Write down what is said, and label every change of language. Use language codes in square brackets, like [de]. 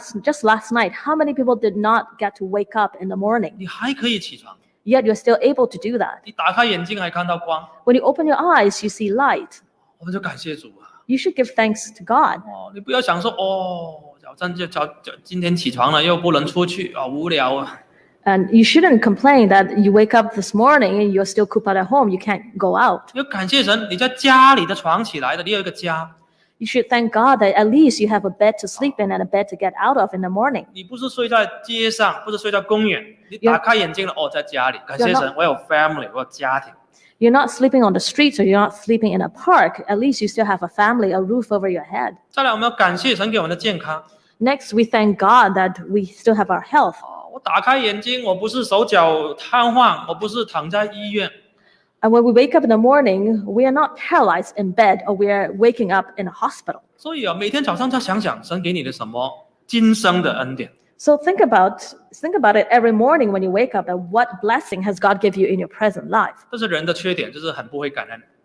[en] Just last night, how many people did not get to wake up in the morning? [zh] 你还可以起床。 [en] Yet you're still able to do that. [zh] 你打开眼睛还看到光。 [en] When you open your eyes, you see light. [zh] 我们就感谢主啊。 [en] You should give thanks to God. [zh] 哦，你不要想说哦，早上就早就今天起床了，又不能出去啊，无聊啊。 [en] And you shouldn't complain that you wake up this morning and you're still cooped up at home, you can't go out. [zh] 要感谢神，你在家里的床起来的，你有一个家。 [en] You should thank God that at least you have a bed to sleep in and a bed to get out of in the morning. [zh] 你不是睡在街上，不是睡在公园，你打开眼睛了，哦，在家里。感谢神，我有family，我有家庭。 [en] You're not sleeping on the streets or you're not sleeping in a park. At least you still have a family, a roof over your head. [zh] 再来，我们要感谢神给我们的健康。 [en] Next, we thank God that we still have our health. [zh] 我打开眼睛，我不是手脚瘫痪，我不是躺在医院。 [en] And when we wake up in the morning, we are not paralyzed in bed or we are waking up in a hospital. [zh] 所以啊, 每天早上再想想, 神给你的什么? 今生的恩典。 [en] So think about it every morning when you wake up, and what blessing has God give you in your present life? [zh] 这是人的缺点, 就是很不会感恩。